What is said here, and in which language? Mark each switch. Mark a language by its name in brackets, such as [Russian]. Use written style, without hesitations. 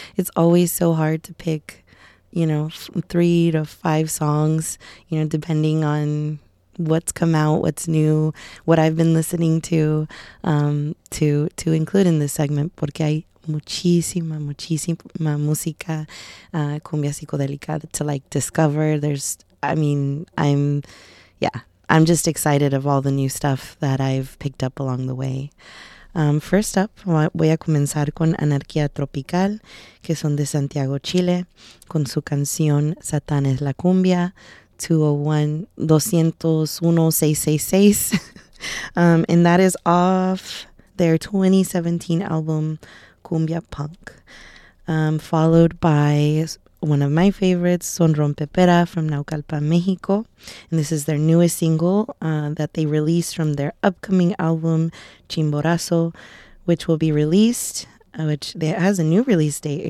[English] It's always so hard to pick, you know, 3 to 5 songs, you know, depending on what's come out, what's new, what I've been listening to include in this segment, [Spanish] porque hay muchísima, muchísima música cumbia psicodélica [English] to, like, discover. I'm just excited of all the new stuff that I've picked up along the way. First up, [Spanish] voy a comenzar con Anarquía Tropical, que son de Santiago, Chile, con su canción Satán es la Cumbia, 201-201-666. [English] And that is off their 2017 album, Cumbia Punk. Followed by one of my favorites, Son Rompepera from Naucalpan, Mexico. And this is their newest single that they released from their upcoming album, Chimborazo, which will be released, which it has a new release date.